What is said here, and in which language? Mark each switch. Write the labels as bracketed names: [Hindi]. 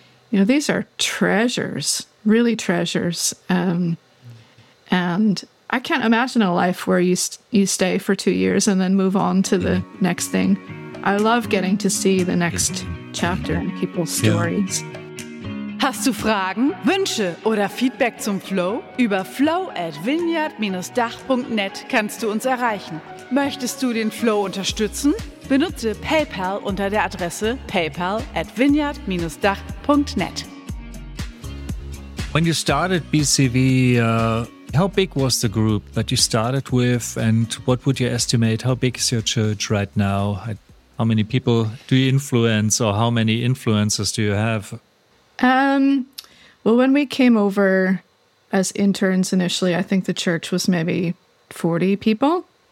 [English] You know, these are treasures, really treasures. And I can't imagine a life where you stay for 2 years and then move on to the next thing. I love getting to see the next chapter in people's stories. Yeah. [German] Hast du Fragen, Wünsche oder Feedback zum Flow? Über flow@vineyard-dach.net kannst du uns erreichen. Möchtest du den Flow unterstützen? Benutze PayPal unter der Adresse paypal@vineyard-dach.net. [English] When you started BCV, how big was the group that you started with, and what would you estimate? How big is your church right now? How many people do you influence, or how many influencers do you have? Well, when we came over as interns initially, I think the church was maybe 40 people.